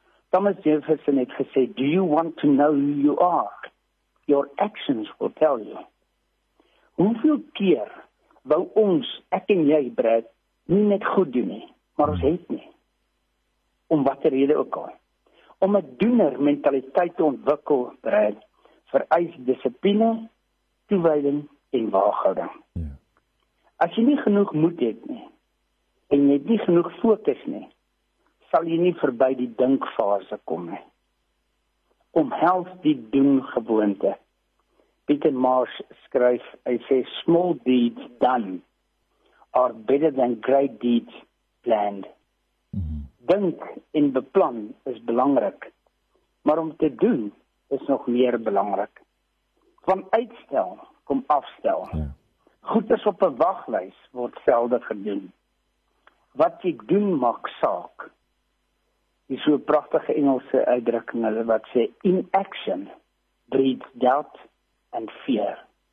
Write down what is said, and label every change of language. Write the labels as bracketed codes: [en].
[en] Thomas Jefferson [af] het gesê, [en] "Do you want to know who you are? Your actions will tell you." [af] Hoeveel keer wou ons, ek en jy, Brad, nie net goed doen nie, maar ons het nie. Om watter rede ook al. Om 'n doener mentaliteit te ontwikkel, Brad, vereis dissipline, toewyding en waaghouding. As jy nie genoeg moed het nie, en jy het nie genoeg fokus nie, sal jy nie verby die dinkfase kom nie. Omhels die doen gewoonte. Peter Marsh skryf, hy sê, [en] small deeds done are better than great deeds planned. [af] Dink en beplan is belangrik, maar om te doen is nog meer belangrik. Van uitstel kom afstel. Goeders op 'n waglys word selde gedoen. Wat jy doen maak saak. Dis so 'n pragtige Engelse uitdrukking hulle wat sê [en] inaction breeds doubt and fear.